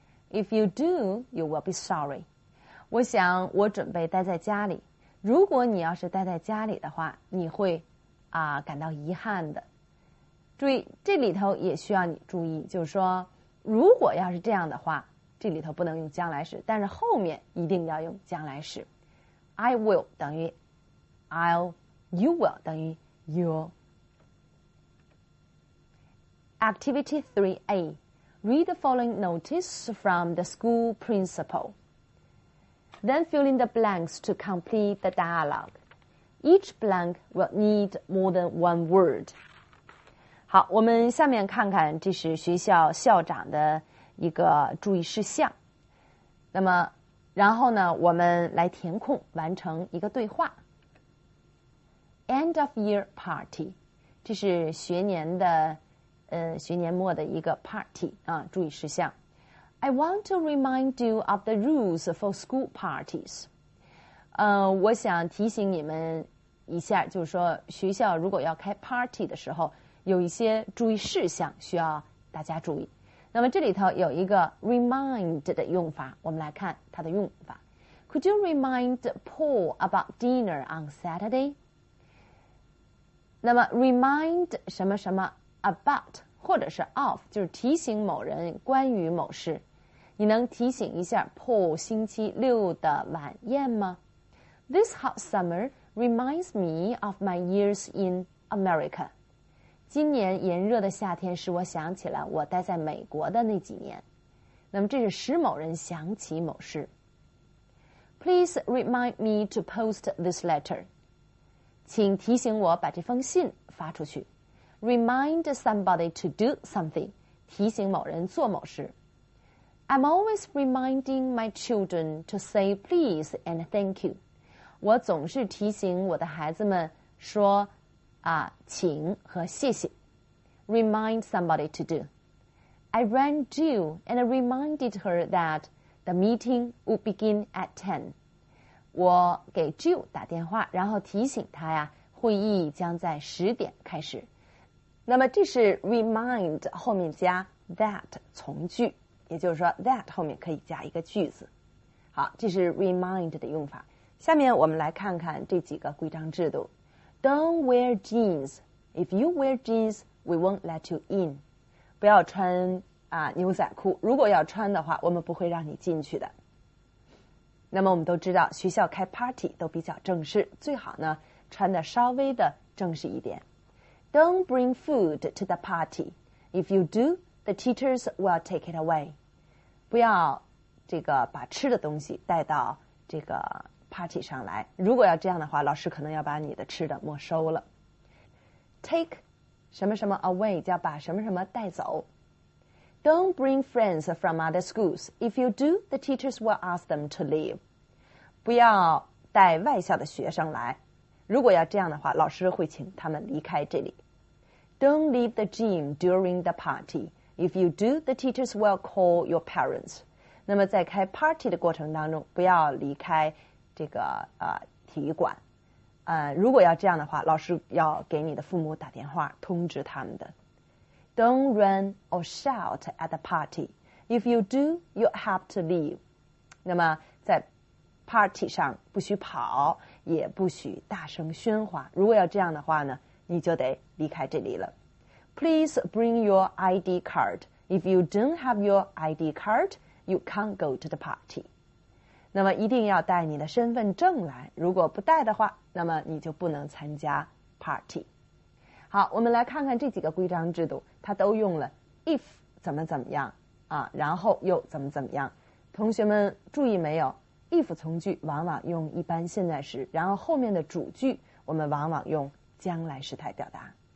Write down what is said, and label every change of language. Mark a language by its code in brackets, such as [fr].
[en] If you do, you will be sorry， [zh] 我想我准备待在家里。如果你要是待在家里的话，你会感到遗憾的。注意，这里头也需要你注意，就是说，如果要是这样的话，这里头不能用将来时，但是后面一定要用将来时。 [en] I will 等于 I'll, you will 等于 you'll. Activity 3A. Read the following notice from the school principal. Then fill in the blanks to complete the dialogue. Each blank will need more than one word. [zh] 好，我们下面看看，这是学校校长的一个注意事项。那么然后呢，我们来填空，完成一个对话。 [en] End of year party， [zh] 这是学年的，学年末的一个 party 啊，注意事项。 [en] I want to remind you of the rules for school parties。 [zh] 我想提醒你们一下，就是说学校如果要开 party 的时候，有一些注意事项需要大家注意。那么这里头有一个 remind 的用法，我们来看它的用法。 [en] Could you remind Paul about dinner on Saturday? [zh] 那么 remind 什么什么 about 或者是 of， 就是提醒某人关于某事。你能提醒一下 Paul 星期六的晚宴吗？ [en] This hot summer reminds me of my years in America. [zh] 今年炎热的夏天使我想起了我待在美国的那几年。那么这是使某人想起某事。 [en] Please remind me to post this letter. [zh] 请提醒我把这封信发出去。 [en] Remind somebody to do something. [zh] 提醒某人做某事。 [en] I'm always reminding my children to say please and thank you. [zh] 我总是提醒我的孩子们说啊，请和谢谢。 [en] Remind somebody to do. I rang Jill and reminded her that the meeting would begin at 10. [zh] 我给 Jill 打电话，然后提醒她呀，会议将在十点开始。那么这是 remind 后面加 that 从句，也就是说 that 后面可以加一个句子。好，这是 remind 的用法。下面我们来看看这几个规章制度。 [en] Don't wear jeans. If you wear jeans, we won't let you in. [zh] 不要穿牛仔裤。如果要穿的话，我们不会让你进去的。那么我们都知道，学校开 party 都比较正式，最好呢穿的稍微的正式一点。 [en] Don't bring food to the party. If you do, the teachers will take it away. [zh] 不要这个把吃的东西带到这个party 上来，如果要这样的话，老师可能要把你的吃的没收了。 Take 什么什么 away 叫把什么什么带走。 [en] Don't bring friends from other schools. If you do, the teachers will ask them to leave. [zh] 不要带外校的学生来，如果要这样的话，老师会请他们离开这里。 [en] Don't leave the gym during the party. If you do, the teachers will call your parents. [zh] 那么在开 party 的过程当中，不要离开这个体育馆，如果要这样的话，老师要给你的父母打电话通知他们的。 [en] Don't run or shout at the party. If you do, you have to leave. [zh] 那么在 party 上不许跑，也不许大声喧哗。如果要这样的话呢，你就得离开这里了。 Please bring your ID card. If you don't have your ID card, you can't go to the party. 那么一定要带你的身份证来，如果不带的话，那么你就不能参加 party。好，我们来看看这几个规章制度，它都用了 if 怎么怎么样啊，然后又怎么怎么样。同学们注意没有， if 从句往往用一般现在时，然后后面的主句我们往往用将来时态表达。